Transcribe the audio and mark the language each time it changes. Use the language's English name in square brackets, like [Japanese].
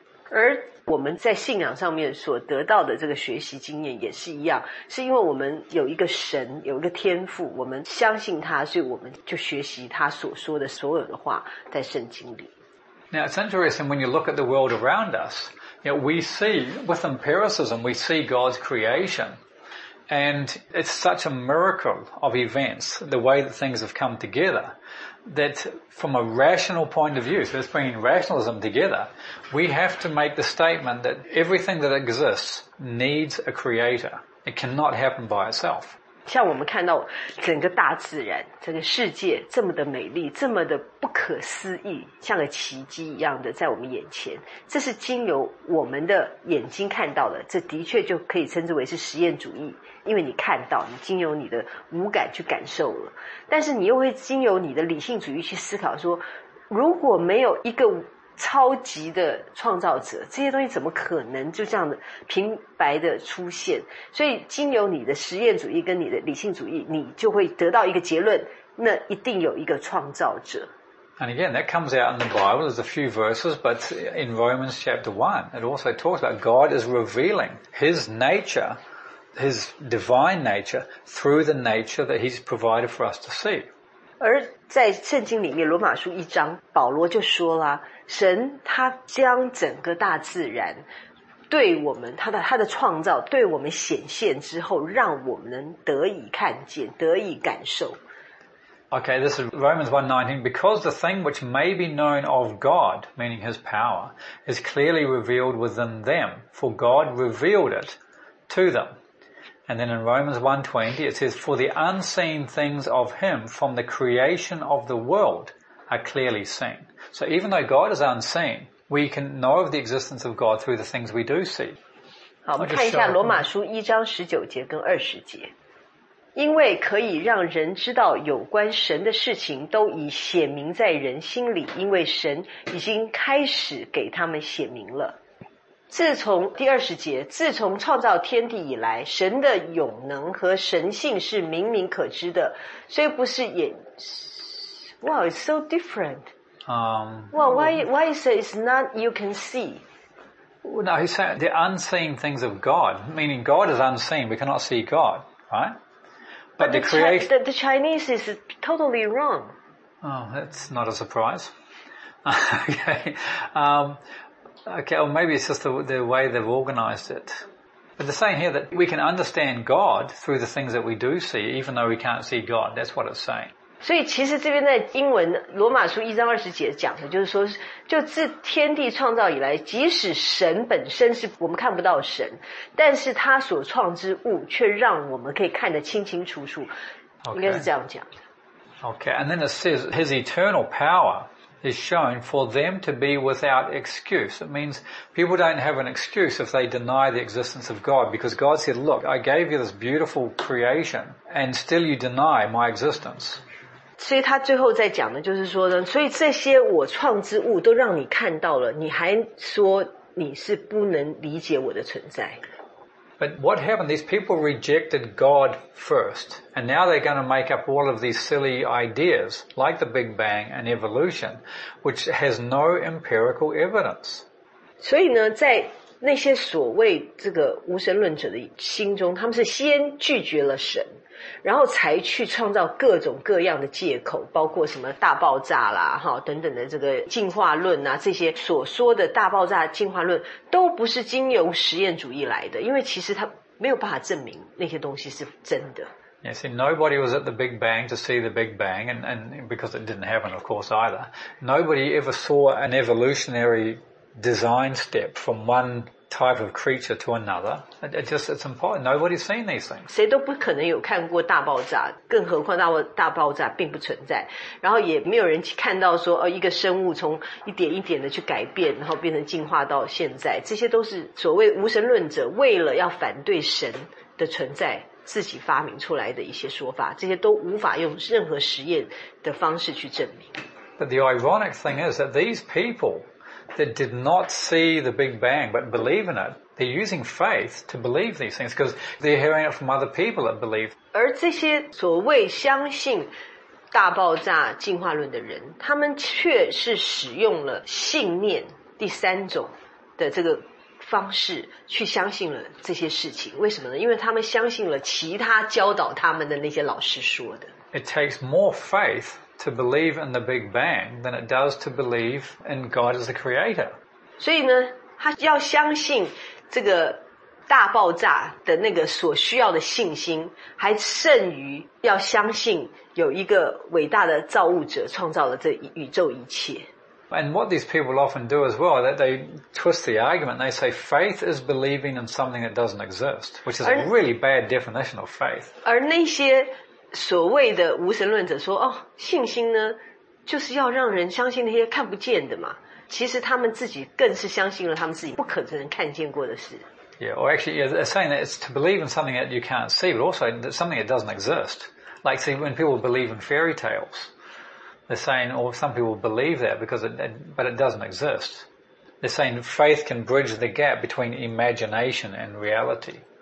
[Chinese] 而我们在信仰上面所得到的这个学习经验也是一样，是因为我们有一个神，有一个天父，我们相信他，所以我们就学习他所说的所有的话在圣经里。 [English] Now it's interesting when you look at the world around us, you know, we see, with empiricism, we see God's creation. And it's such a miracle of events, the way that things have come together, that from a rational point of view, so it's bringing rationalism together, we have to make the statement that everything that exists needs a creator. It cannot happen by itself. [Chinese] 像我们看到整个大自然这个世界这么的美丽，这么的不可思议，像个奇迹一样的在我们眼前，这是经由我们的眼睛看到的，这的确就可以称之为是实验主义，因为你看到，你经由你的五感去感受了，但是你又会经由你的理性主义去思考说，如果没有一个超级的创造者，这些东西怎么可能就这样的平白的出现？所以经由你的实验主义跟你的理性主义，你就会得到一个结论，那一定有一个创造者。 [English] And again, that comes out in the Bible. There's a few verses, but in Romans chapter 1, it also talks about God is revealing His nature, His divine nature, through the nature that He's provided for us to see. [Chinese] 而在圣经里面，罗马书一章，保罗就说了，神他将整个大自然对我们他的创造对我们显现之后，让我们能得以看见，得以感受。 [English] Okay, this is Romans 1:19. Because the thing which may be known of God, meaning His power, is clearly revealed within them, for God revealed it to them. And then in Romans 1:20, it says, "For the unseen things of Him from the creation of the world are clearly seen." So even though God is unseen, we can know of the existence of God through the things we do see. [Chinese] 好，我们看一下罗马书一章十九节跟二十节。因为可以让人知道有关神的事情都已显明在人心里，因为神已经开始给他们显明了。自从第二十节，自从创造天地以来，神的永能和神性是明明可知的，虽不是眼 [English] Wow, it's so different. Well, why you say it's not you can see? No, he's saying the unseen things of God, meaning God is unseen. We cannot see God, right? But the creation... the Chinese is totally wrong. Oh, that's not a surprise. Okay, well, maybe it's just the way they've organized it. But they're saying here that we can understand God through the things that we do see, even though we can't see God. That's what it's saying. [Chinese] 所以其实这边在英文罗马书一章二十节讲的就是说就自天地创造以来即使神本身是我们看不到神但是他所创之物却让我们可以看得清清楚楚、 [English] okay. [Chinese] 应该是这样讲的 [English] Okay, and then it says his eternal power is shown for them to be without excuse. It means people don't have an excuse if they deny the existence of God because God said, look, I gave you this beautiful creation and still you deny my existence. [Chinese] 所以他最后在讲的就是说呢，所以这些我创之物都让你看到了，你还说你是不能理解我的存在。 [English] But what happened? These people rejected God first, and now they're going to make up all of these silly ideas, like the Big Bang and evolution, which has no empirical evidence. [Chinese] 所以呢，在那些所谓这个无神论者的心中，他们是先拒绝了神。然后才去创造各种各样的借口包括什么大爆炸啦齁等等的这个进化论啊这些所说的大爆炸进化论都不是经由实验主义来的因为其实他没有办法证明那些东西是真的。 [English] Yeah, see, nobody was at the Big Bang to see the Big Bang, and because it didn't happen, of course, either. Nobody ever saw an evolutionary design step from one... type of creature to another. It's important. Nobody's seen these things. [Chinese] 谁都不可能有看过大爆炸，更何况大爆炸并不存在。然后也没有人看到说，一个生物从一点一点的去改变，然后变成进化到现在。这些都是所谓无神论者为了要反对神的存在，自己发明出来的一些说法。这些都无法用任何实验的方式去证明。 [English] But the ironic thing is that these people. That did not see the Big Bang, but believe in it. They're using faith to believe these things because they're hearing it from other people that believe. [Chinese] 而这些所谓相信大爆炸进化论的人，他们却是使用了信念第三种的这个方式去相信了这些事情。为什么呢？因为他们相信了其他教导他们的那些老师说的。 [English] It takes more faith. To believe in the Big Bang than it does to believe in God as the creator. [Chinese] 所以呢，他要相信这个大爆炸的那个所需要的信心，还胜于要相信有一个伟大的造物者创造了这宇宙一切。 [English] And what these people often do as well, that they twist the argument. They say faith is believing in something that doesn't exist, which is a really bad definition of faith. [Chinese] 而那些所谓的无神论者说哦，信心呢就是要让人相信那些看不见的嘛其实他们自己更是相信了他们自己不可能看见过的事 [English] Yeah, or actually yeah, they're saying that it's to believe in something that you can't see but also something that doesn't exist like see when people believe in fairy tales they're saying or some people believe that because but it doesn't exist they're saying faith can bridge the gap between imagination and reality